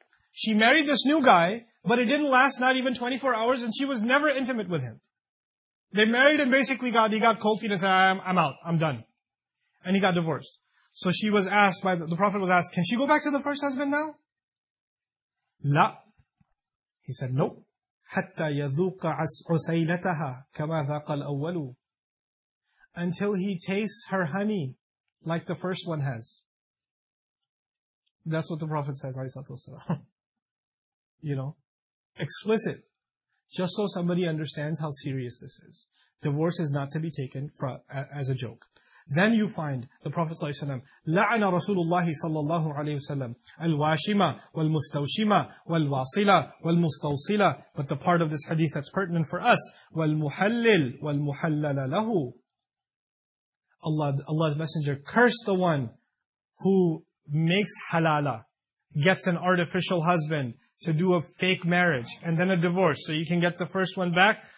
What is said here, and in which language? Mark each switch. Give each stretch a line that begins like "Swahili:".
English: She married this new guy, but it didn't last not even 24 hours and she was never intimate with him. They married and basically he got cold feet and said, I'm out, I'm done. And he got divorced. So she was asked by the Prophet was asked, can she go back to the first husband now? La. He said, nope.
Arabic: حتى يذوق عسيلتها كما ذاق الأول.
English: Until he tastes her honey like the first one has. That's what the Prophet says, alayhi salam. You know? Explicit. Just so somebody understands how serious this is. Divorce is not to be taken as a joke. Then you find the Prophet
Arabic: صلى الله عليه وسلم لعن رسول الله صلى الله عليه وسلم الواشمة والمستوشمة والواصلة والمستوصلة.
English: But the part of this hadith that's pertinent for us,
Arabic: والمحلل والمحلل له.
English: Allah's Messenger cursed the one who makes halala, gets an artificial husband to do a fake marriage and then a divorce so you can get the first one back.